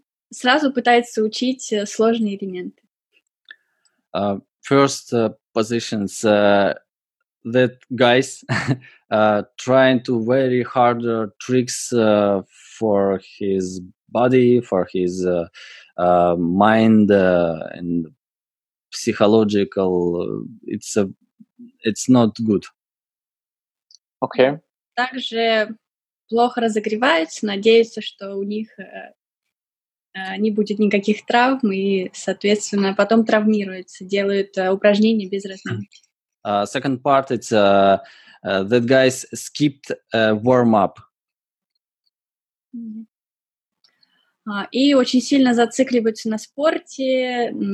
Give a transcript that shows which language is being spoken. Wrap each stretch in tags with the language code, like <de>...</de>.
<ru>Сразу пытается учить сложные элементы.</ru> <en>First positions... that guys trying to very harder tricks for his body, for his mind and psychological, it's not good. Okay.</en> <ru>Также плохо разогреваются, надеются, что у них не будет никаких травм и, соответственно, потом травмируются, делают упражнения без разминки.</ru> <en>Second part, it's that guys skipped warm-up.</en> <ru>И очень сильно зацикливаются на спорте.</ru>